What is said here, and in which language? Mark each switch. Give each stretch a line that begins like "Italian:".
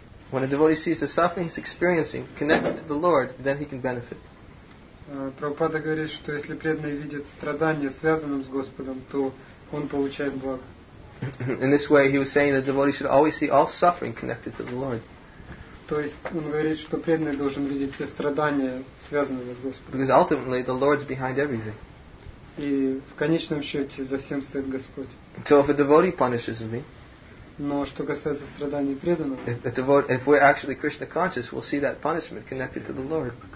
English: When a devotee sees the suffering he's experiencing connected to the Lord, then he can benefit.
Russian: Prabhupada говорит, что если преданный видит страдание, связанным с Господом, то он получает благо.
English: In this way, he was saying that the devotee should always see all suffering connected to the Lord.
Russian: То есть он говорит, что преданный должен видеть все страдания, связанные с Господом.
English: Because ultimately, the Lord's behind everything.
Russian: И в конечном счете за всем стоит Господь.
English: So if a devotee punishes me,
Russian: но что касается страданий преданного,
English: if we're actually Krishna conscious, we'll see that punishment connected to the Lord.